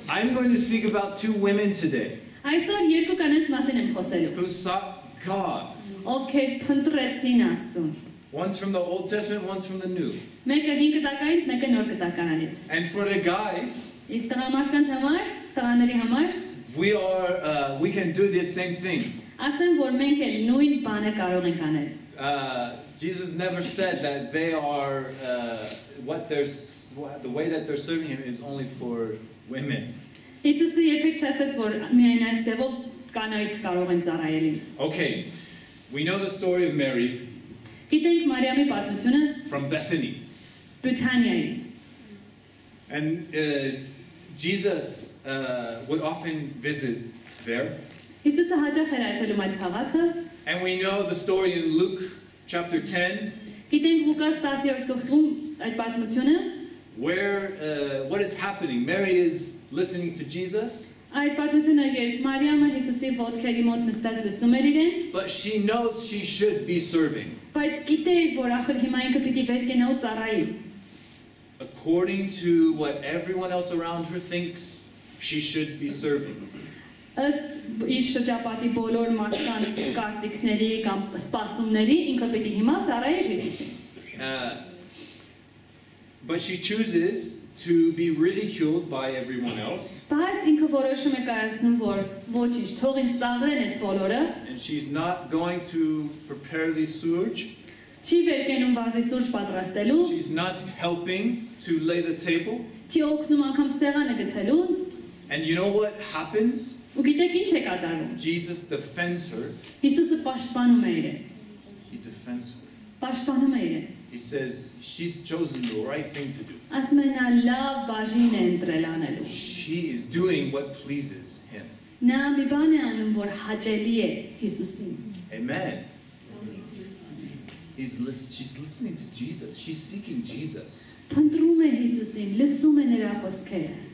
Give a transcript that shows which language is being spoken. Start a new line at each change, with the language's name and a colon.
English: I'm going to speak about two women today. I saw
Armenian: երկու կանանց մասին եմ խոսելու.
English: Who sought God?
Armenian: Okay, փնտրեցին Աստծուն.
English: One's from the Old Testament, one's from the New.
Armenian: Մեկը հինգտականից, մեկը նորտականից.
English: And for the guys,
Armenian: իսկ տղամարդկանց համար, տղաների համար,
English: we can do the same thing.
Armenian: Ասեն, որ մենք էլ նույն բանը կարող ենք անել.
English: Jesus never said that they are the way that they're serving him is only for women.
Armenian: Իսուսը երբեք չասաց, որ միայն այս ձևով կանայք կարող են ծառայել ինձ.
English: Okay. We know the story of Mary.
Armenian: Գիտենք Մարիամի պատմությունը.
English: From Bethany.
Armenian: Բեթանիայից.
English: And Jesus would often visit there.
Armenian: Հիսուսը հաճախ էր այցելում այդ քաղաքը.
English: And we know the story in Luke chapter 10.
Armenian: Գիտենք Լուկաս 10-րդ գլխում այդ պատմությունը.
English: Where what is happening? Mary is listening to Jesus.
Armenian: Այդ պատմությունը երբ Մարիամը Հիսուսի ոտքերի մոտ նստած լսում էր իրեն.
English: But she knows she should be serving.
Armenian: Բայց գիտեր, որ ախր հիմա ինքը պիտի վեր կենա ու ծառայի.
English: According to what everyone else around her thinks, she should be serving.
Armenian: Ըստ իր շրջապատի բոլոր մարդկանց կարծիքների կամ սպասումների ինքը պիտի հիմա ծառայի Հիսուսին.
English: But she chooses to be ridiculed by everyone else.
Armenian: Բայց ինքը որոշում է կայացնում, որ ոչինչ, թող ինձ ծաղրեն այս բոլորը.
English: And she's not going to prepare the surge.
Armenian: Չի վերկենում վազի սուրջ պատրաստելու.
English: She's not helping to lay the table.
Armenian: Չի օգնում անգամ սեղանը գցելուն.
English: And you know what happens?
Armenian: Ու գիտեք ինչ է կատարում.
English: Jesus defends her.
Armenian: Հիսուսը պաշտպանում է իրեն.
English: He defends her.
Armenian: Պաշտպանում է իրեն.
English: He says she's chosen the right thing to do.
Armenian: Ասմենա լավ բաժին է ընտրել անելու.
English: She is doing what pleases him.
Armenian: Նա մի բան է անում, որ հաճելի է Հիսուսին.
English: Amen. She's listening to Jesus. She's seeking Jesus.
Armenian: Փնտրում է Հիսուսին, լսում է նրա խոսքերը.